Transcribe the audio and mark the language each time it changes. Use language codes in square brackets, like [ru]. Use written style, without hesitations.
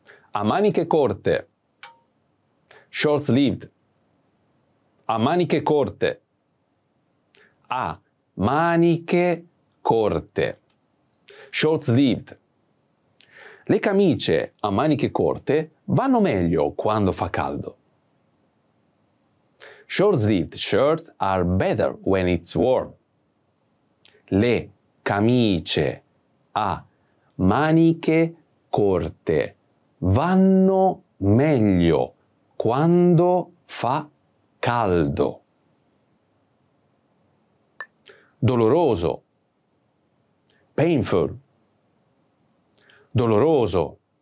[it] A maniche corte. [en] Short-sleeved. [it] A maniche corte. A maniche corte. [en] Short sleeved. [it] Le camicie a maniche corte vanno meglio quando fa caldo. [en] Short sleeved shirts are better when it's warm. [it] Le camicie a maniche corte vanno meglio quando fa caldo. Doloroso. [en] painful. [it] Doloroso.